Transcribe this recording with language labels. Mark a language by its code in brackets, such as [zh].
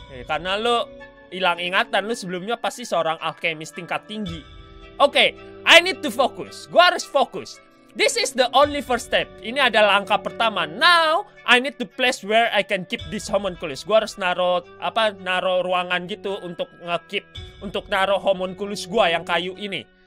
[id] Karena lo hilang ingatan, lo sebelumnya pasti seorang alchemist tingkat tinggi. [en] Oke, okay, I need to focus. [id] Gue harus fokus. [en] This is the only first step. [id] Ini adalah langkah pertama. [en] Now, I need to place where I can keep this homunculus. [id] Gua harus naro ruangan gitu untuk ngekeep, untuk naro homunculus gua yang kayu ini.